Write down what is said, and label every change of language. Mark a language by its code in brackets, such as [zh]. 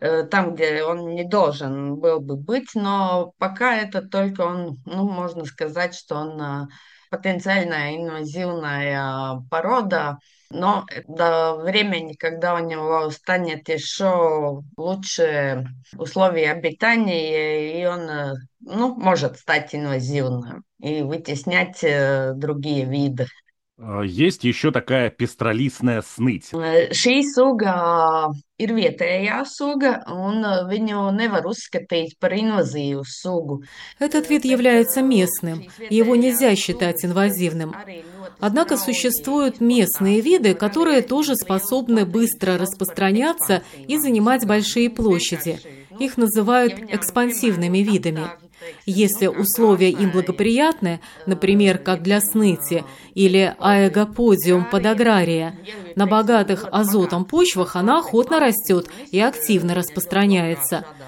[ru] там, где он не должен был бы быть, но пока это только он, ну, можно сказать, что он потенциальная инвазивная порода, но до времени, когда у него станет еще лучше условия обитания, и он, ну, может стать инвазивным и вытеснять другие виды. Есть еще такая пестролистная сныть. [lv] Šis suga ir vietējā suga, un viņu nevar uzskatīt par инвазивную sugu. [ru] Этот вид является местным, его нельзя считать инвазивным. Однако существуют местные виды, которые тоже способны быстро распространяться и занимать большие площади. Их называют экспансивными видами. Если условия им благоприятны, например, как для сныти или Aegopodium podagraria, на богатых азотом почвах она охотно растет и активно распространяется.